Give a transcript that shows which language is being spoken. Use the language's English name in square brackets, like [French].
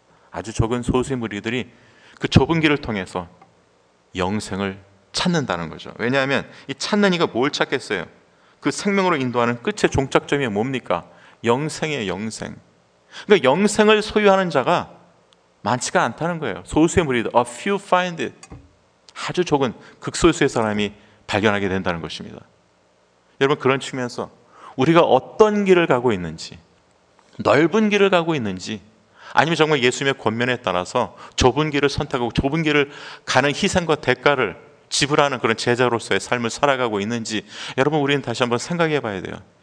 [Korean] 아주 적은 소수의 무리들이 그 좁은 길을 통해서 영생을 찾는다는 거죠. 왜냐하면 이 찾는 이가 뭘 찾겠어요? 그 생명으로 인도하는 끝의 종착점이 뭡니까? 영생의 영생. 그러니까 영생을 소유하는 자가 많지가 않다는 거예요. 소수의 무리들, [English] a few find it. [Korean] 아주 적은 극소수의 사람이 발견하게 된다는 것입니다. 여러분 그런 측면에서 우리가 어떤 길을 가고 있는지, 넓은 길을 가고 있는지, 아니면 정말 예수님의 권면에 따라서 좁은 길을 선택하고 좁은 길을 가는 희생과 대가를 지불하는 그런 제자로서의 삶을 살아가고 있는지 여러분 우리는 다시 한번 생각해 봐야 돼요.